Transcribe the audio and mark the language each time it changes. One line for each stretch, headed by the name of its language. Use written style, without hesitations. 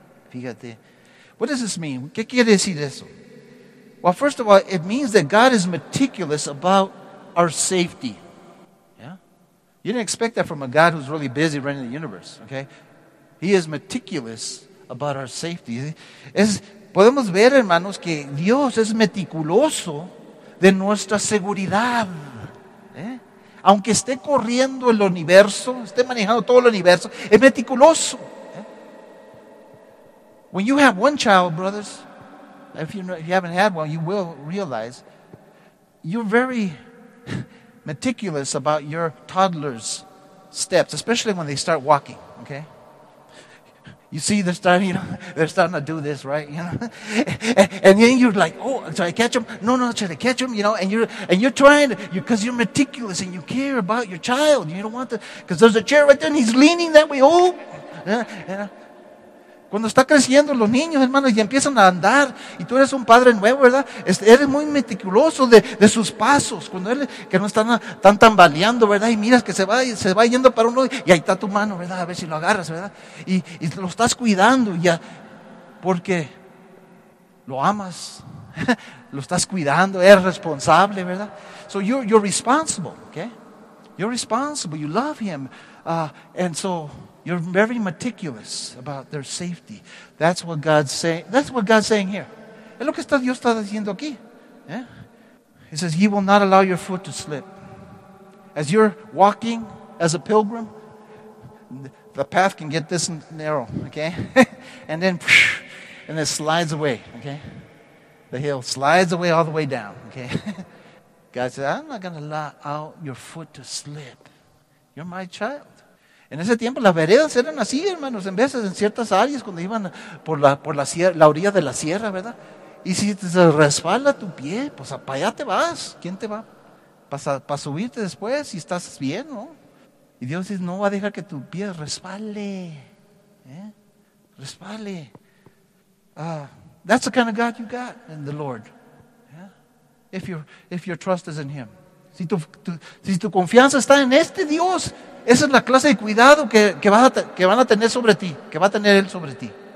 Spanish: Fíjate,
English: what does this mean?
Spanish: ¿Qué quiere decir eso?
English: Well, first of all, it means that God is meticulous about our safety. You didn't expect that from a God who's really busy running the universe, okay? He is meticulous about our safety.
Spanish: Podemos ver, hermanos, que Dios es meticuloso de nuestra seguridad. ¿Eh? Aunque esté corriendo el universo, esté manejando todo el universo, es meticuloso. ¿Eh?
English: When you have one child, brothers, if you haven't had one, you will realize you're very meticulous about your toddler's steps, especially when they start walking, okay? You see, they're starting to do this, right? You know, and then you're like, oh, should I catch them? No, should I catch them? You know, and you're trying to, because you're meticulous and you care about your child. You don't want to, because there's a chair right there and he's leaning that way. Oh, yeah, yeah.
Spanish: Cuando está creciendo los niños, hermanos, y empiezan a andar, y tú eres un padre nuevo, ¿verdad? Eres muy meticuloso de sus pasos. Cuando él, que no están tambaleando, ¿verdad? Y miras que se va yendo para un lado, y ahí está tu mano, ¿verdad? A ver si lo agarras, ¿verdad? Y lo estás cuidando, ya, porque lo amas, Lo estás cuidando, eres responsable, ¿verdad?
English: So you're responsible, okay? You're responsible, you love him. And so you're very meticulous about their safety. That's what God's saying. That's what God's saying here.
Spanish: Es lo que Dios está diciendo aquí.
English: He says, he will not allow your foot to slip. As you're walking as a pilgrim, the path can get this narrow, okay? And then, and it slides away, okay? The hill slides away all the way down, okay? God says, I'm not going to allow your foot to slip. You're my child.
Spanish: En ese tiempo, las veredas eran así, hermanos, en veces, en ciertas áreas, cuando iban por la orilla de la sierra, ¿verdad? Y si te resbala tu pie, pues para allá te vas. ¿Quién te va? Para subirte después, si estás bien, ¿no? Y Dios dice, no va a dejar que tu pie resbale. Resbale.
English: That's the kind of God you got in the Lord. If your trust is in him.
Spanish: Si tu confianza está en este Dios, esa es la clase de cuidado que van a tener sobre ti, que va a tener él sobre ti.